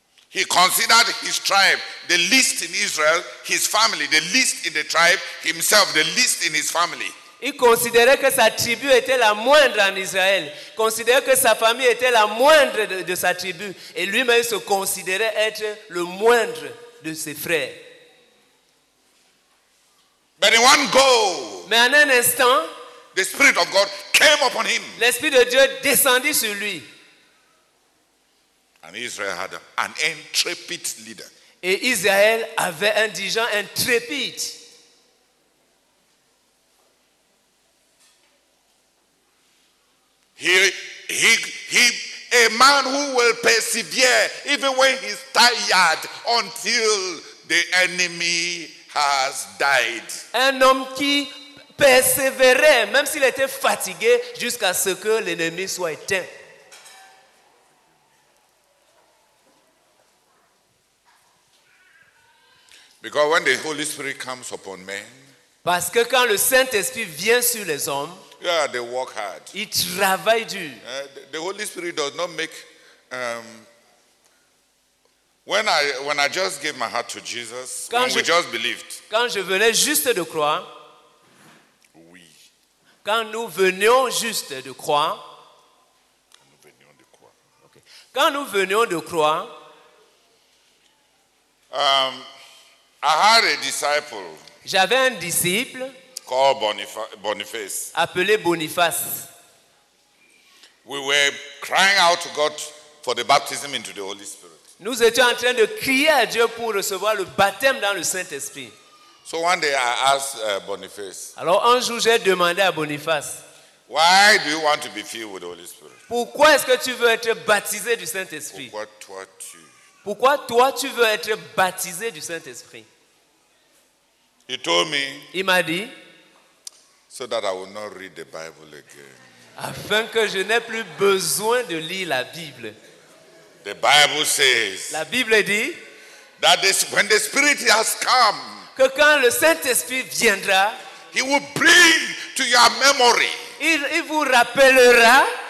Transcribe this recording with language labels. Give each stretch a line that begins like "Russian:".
English: He considered his tribe the least in Israel, his family the least in the tribe, himself the least in his family.
French: Il considérait que sa tribu était la moindre en Israël, considérait que sa famille était la moindre de sa tribu, et lui-même se considérait être le moindre de ses frères.
English: But in one go,
French: mais en un instant,
English: the Spirit of God came upon him.
French: L'Esprit de Dieu descendit sur lui.
English: And Israel had an intrepid leader.
French: Et Israël avait un dirigeant intrépide.
English: A man who will persevere even when he's tired until the enemy has died.
French: Un homme qui persévérait même s'il était fatigué jusqu'à ce que l'ennemi soit éteint.
English: Because when the Holy Spirit comes upon men,
French: parce que quand le Saint-Esprit vient sur les hommes,
English: yeah, they work hard.
French: Ils travaillent dur.
English: The Holy Spirit does not make when I just gave my heart to Jesus,
French: quand
English: when
French: je,
English: we just believed.
French: Quand je venais juste de croire. Oui. Quand nous venions juste de croire. Quand nous venions de croire. Okay. Quand nous venions de croire.
English: I had a disciple.
French: J'avais un disciple.
English: Called Boniface.
French: Appelé Boniface.
English: We were crying out to God for the baptism into the Holy Spirit.
French: Nous étions en train de crier à Dieu pour recevoir le baptême dans le Saint-Esprit.
English: So one day I asked Boniface.
French: Alors un jour j'ai demandé à Boniface.
English: Why do you want to be filled with the Holy Spirit?
French: Pourquoi est-ce que tu veux être baptisé du Saint-Esprit? Pourquoi toi tu veux être baptisé du Saint-Esprit?
English: He told me.
French: Il m'a dit.
English: So that I will not read the Bible again.
French: Afin que je n'ai plus besoin de lire la Bible.
English: The Bible says,
French: la Bible dit
English: that this, when the Spirit has come,
French: que quand le Saint-Esprit viendra,
English: he will bring to your memory
French: il vous rappellera